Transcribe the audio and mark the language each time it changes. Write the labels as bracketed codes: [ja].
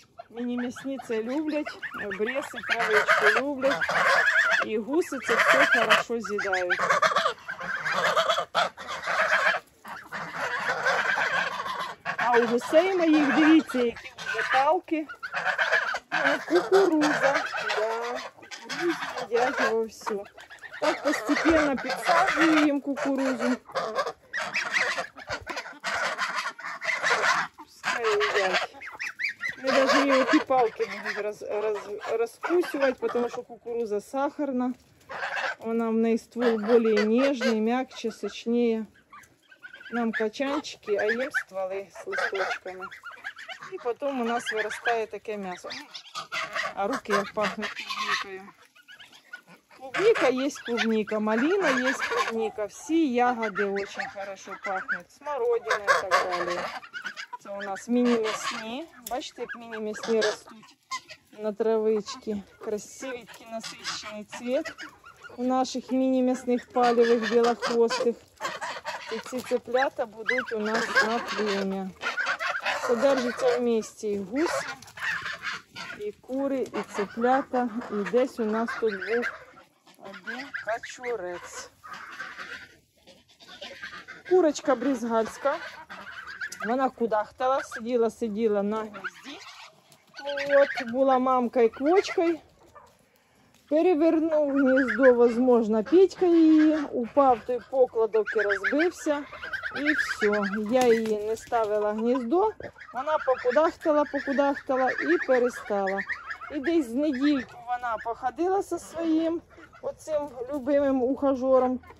[uk] Мені м'ясниці люблять, обрізи, травички люблять. І гуси це все хорошо з'їдають. А у гусей моїх, дивіться, які вже палки. [ru] Кукуруза, да, кукурузу едят его все. Так постепенно подсаживаем кукурузу. Пускай едят. Мы даже ее эти палки будем раскусывать, потому что кукуруза сахарна. Она в ней ствол более нежный, мягче, сочнее. Нам качанчики, а им стволы с листочками. И потом у нас вырастает такое мясо. [uk] А руки як пахнуть клубникою. Клубника є клубника, малина є клубника. Всі ягоди дуже хорошо пахнуть. Смородина і так далі. Це у нас міні-місні. Бачите, як міні-місні ростуть на травичці. Красивий насичений цвіт у наших міні-місних палевих білохвостих. І ці цыплята будуть у нас на племя. Содержиться в місті і гуси. [ru] И куры, и цыплята, и здесь у нас тут был один качурец. Курочка брезгальска, она кудахтала, сидела на гнезде. Вот, была мамкой-квочкой, [uk] перевернув гніздо, возможно, Петька її упав, той покладок і розбився. І все, я її не ставила гніздо, вона покудахтала і перестала. І десь з недільку вона походила зі своїм оцим любимим ухажером.